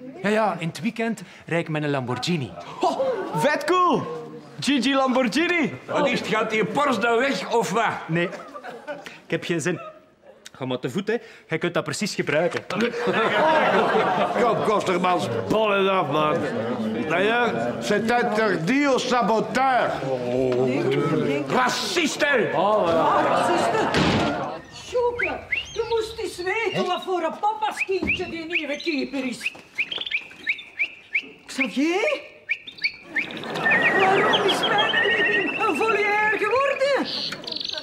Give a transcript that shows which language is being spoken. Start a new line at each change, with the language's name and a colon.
Dutch: Ja, in het weekend rijd ik met een Lamborghini. Oh, vet cool! Gigi Lamborghini. Wat is het? Gaat die Porsche dan weg of wat? Nee, ik heb geen zin. Ga maar te voet, hè. Jij kunt dat precies gebruiken. Kom, Kostermans, bol en af, man.
French: D'ailleurs, c'est interdit au saboteur. Raciste! Raciste!
Dutch: Sjoeke, je moest eens weten wat voor een papa's kindje die nieuwe keeper is. Xavier? Waarom is mijn leven een volière geworden?